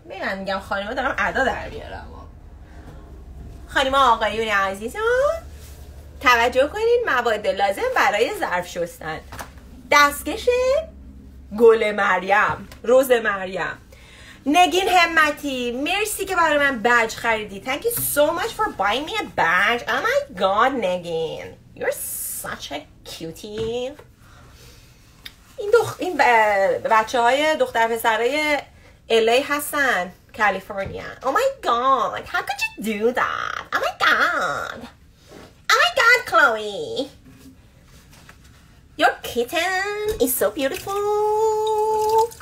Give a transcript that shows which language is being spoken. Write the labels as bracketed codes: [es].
[fa] میگن میگم خانم ها، دارم ادا در میارم. خانم آقایون عزیزان توجه کنین، مواد لازم برای ظرف شستن: دستکش گل مریم، روز مریم، نگین همتی، مرسی که برای من بج خریدی، [en] Thank you so much for buying me a badge. Oh my god نگین، You're such a cutie. [fa] این بچه های دختر پسرهای LA هستن، California. [en] Oh my god, how could you do that? Oh my god. Oh my god, Chloe. Your kitten is so beautiful.